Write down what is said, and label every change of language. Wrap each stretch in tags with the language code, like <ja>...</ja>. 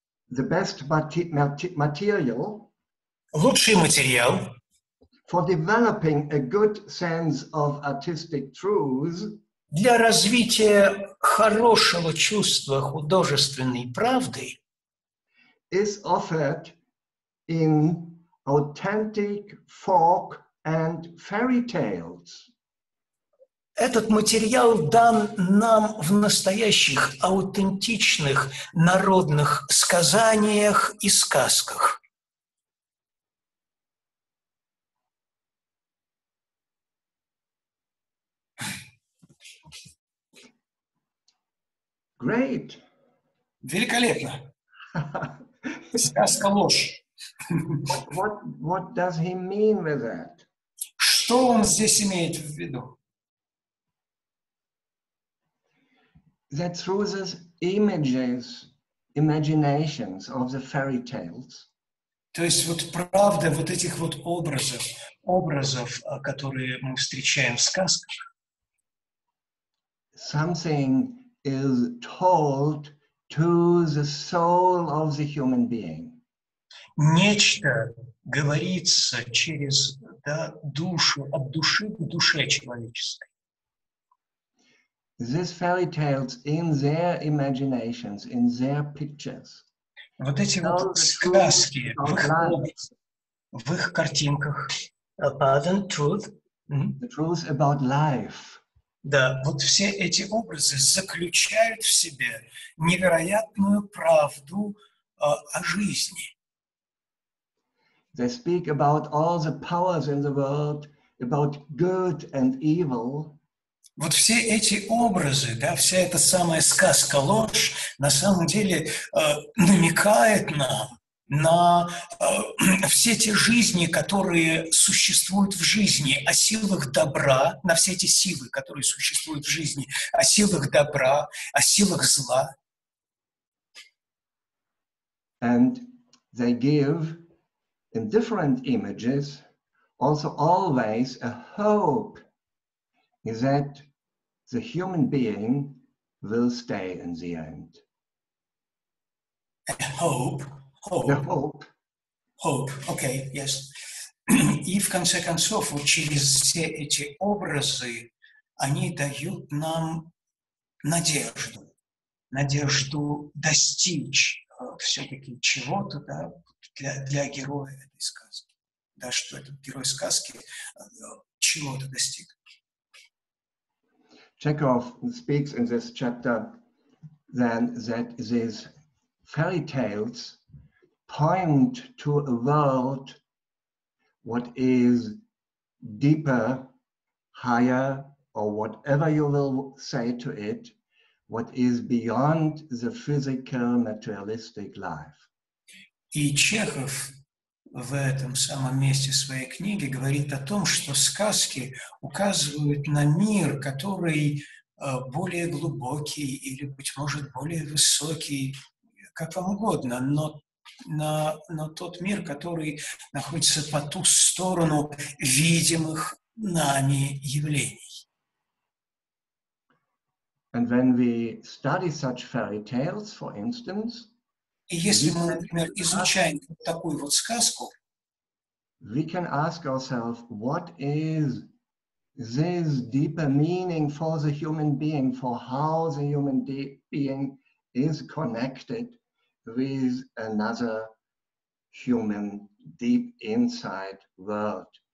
<en>The best material.</en> <ru>Лучший материал.</ru> <en>For developing a good sense of artistic truths.</en> <ru>Для развития хорошего чувства художественной правды.</ru> <en>Is offered in authentic folk and fairy tales.</en> <ru>Этот материал дан нам в настоящих, аутентичных, народных сказаниях и сказках.</ru> <en>Great.</en> <ru>Великолепно. Сказка ложь.</ru> <en>What does he mean with that?</en> <ru>Что он здесь имеет в виду?</ru> <en>That through the images, imaginations of the fairy tales.</en> <ru>То есть вот правда вот этих вот образов, которые мы встречаем в сказках.</ru> <en>Something is told to the soul of the human being.</en> <ru>Нечто говорится через душу, от души к душе человеческой.</ru> <en>These fairy tales in their imaginations, in their pictures.</en> <ru>Вот эти вот сказки в их картинках.</ru> <en>Pardon, truth. The truth about life.</en> <ru>Да, вот все эти образы заключают в себе невероятную правду о жизни.</ru> <en>They speak about all the powers in the world, about good and evil.</en> <ru>Вот все эти образы, да, вся эта самая сказка ложь, на самом деле намекает нам на все те жизни, которые существуют в жизни, о силах добра, на все эти силы, которые существуют в жизни, о силах добра, о силах зла.</ru> <en>And they give in different images also always a hope that the human being will stay in the end. Hope. Okay, yes.</en> <ru>И в конце концов, вот через все эти образы, они дают нам надежду. Надежду достичь все-таки чего-то, да, для героя этой сказки. Да, что этот герой сказки чего-то достиг.</ru> <en>Chekhov speaks in this chapter then that these fairy tales point to a world what is deeper, higher, or whatever you will say to it, what is beyond the physical materialistic life.</en> <ru>И Чехов в этом самом месте своей книги говорит о том, что сказки указывают на мир, который более глубокий или, быть может, более высокий, как вам угодно, но тот мир, который находится по ту сторону видимых нами явлений.</ru> <en>And when we study such fairy tales, for instance,</en> <ru>и если мы, например, изучаем такую вот сказку,</ru> <en>we can ask ourselves, what is this deeper meaning for the human being, for how the human being is connected with another human deep inside world.</en>